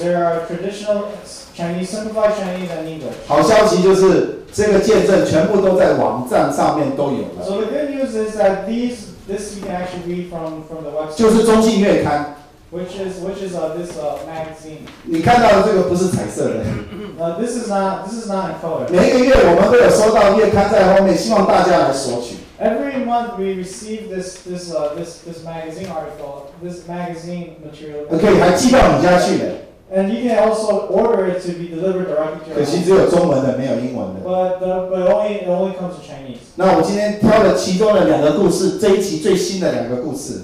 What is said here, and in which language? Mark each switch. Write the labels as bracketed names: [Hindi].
[English] There are traditional Chinese, simplified Chinese, and English. [Chinese] 好消息就是这个见证全部都在网站上面都有了。 [English] So the good news is that this you can actually read from the website. [Chinese] 就是中信月刊。 [English] Which is this magazine? [Chinese] 你看到的这个不是彩色的。 [English] This is not in color. [Chinese] 每一个月我们都有收到月刊在后面，希望大家来索取。 [English] Every month we receive this magazine article, this magazine material. [Chinese] Okay, 还寄到你家去了。 [English] And you can also order it to be delivered directly to your home. But it only comes to Chinese. [Chinese] 那我今天挑了其中的两个故事，这一期最新的两个故事。